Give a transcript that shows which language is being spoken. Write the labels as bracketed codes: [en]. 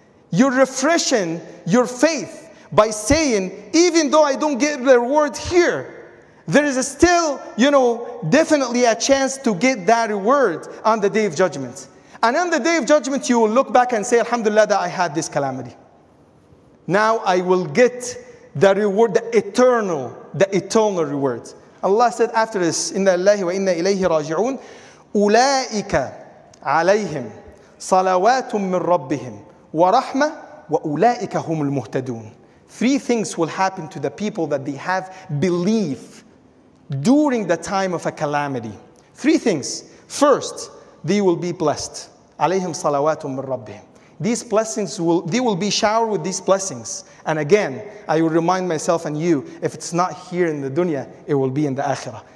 [en] You're refreshing your faith by saying, even though I don't get the reward here, there is still, you know, definitely a chance to get that reward on the Day of Judgment. And on the Day of Judgment, you will look back and say, Alhamdulillah, that I had this calamity. Now I will get the reward, the eternal reward. Allah said after this, [ar] إِنَّا اللَّهِ وَإِنَّا إِلَيْهِ رَاجِعُونَ أُولَٰئِكَ عَلَيْهِمْ صَلَوَاتٌ مِّن رَبِّهِمْ وَرَحْمَةٌ وَأُولَٰئِكَ هُمُ الْمُهْتَدُونَ. [en] Three things will happen to the people that they have belief during the time of a calamity. Three things. First, they will be blessed. [ar] عَلَيْهِمْ صَلَوَاتٌ مِّن رَبِّهِمْ. [en] These blessings will, they will be showered with these blessings. And again, I will remind myself and you, if it's not here in the dunya, it will be in the akhirah.